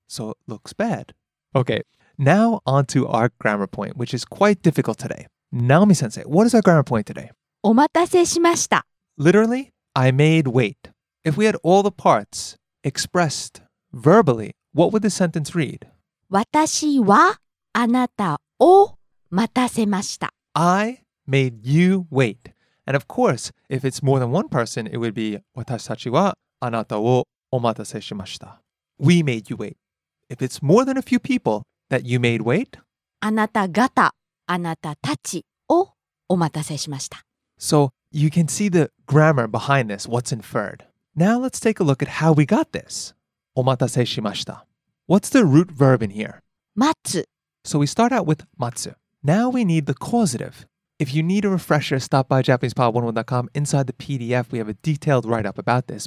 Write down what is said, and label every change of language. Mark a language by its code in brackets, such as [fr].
[en] So, it looks bad. Okay, now on to our grammar point, which is quite difficult today. Naomi sensei, what is our grammar point today? [ja] お待たせしました。 [en] Literally, I made wait. If we had all the parts expressed verbally, what would the sentence read? [ja] 私はあなたを待たせました。 [en] I made you wait. And of course, if it's more than one person, it would be [ja] 私たちはあなたをお待たせしました。 [en] We made you wait. If it's more than a few people that you made wait, [ja] あなた方、あなたたちをお待たせしました。 [en] So, you can see the grammar behind this, what's inferred. Now let's take a look at how we got this. [ja] お待たせしました. [en] What's the root verb in here? [ja] 待つ. [en] So we start out with 待つ.Now we need the causative. If you need a refresher, stop by JapanesePod101.com. Inside the PDF, we have a detailed write-up about this.